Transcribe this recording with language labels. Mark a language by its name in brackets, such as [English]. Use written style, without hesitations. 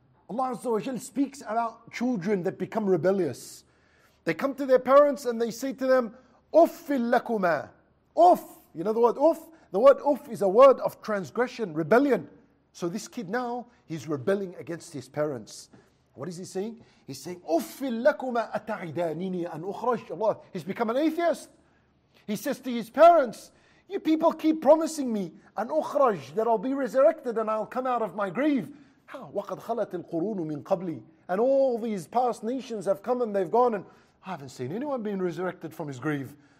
[English] Allah Azza wa Jalla speaks about children that become rebellious. They come to their parents and they say to them, [Arabic] أُفِّلْ لَكُمَا. [English] Uff, you know the word uff? The word uff is a word of transgression, rebellion. So this kid now, he's rebelling against his parents. What is he saying? He's saying, [Arabic] أُفِّلْ لَكُمَا أَتَعِدَانِنِي أَنْ أُخْرَجْ. [English] Allah, he's become an atheist. He says to his parents, you people keep promising me an ukhraj, that I'll be resurrected and I'll come out of my grave. How? [Arabic] وَقَدْ خَلَتِ الْقُرُونُ مِنْ قَبْلِي. [English] And all these past nations have come and they've gone, and I haven't seen anyone being resurrected from his grave.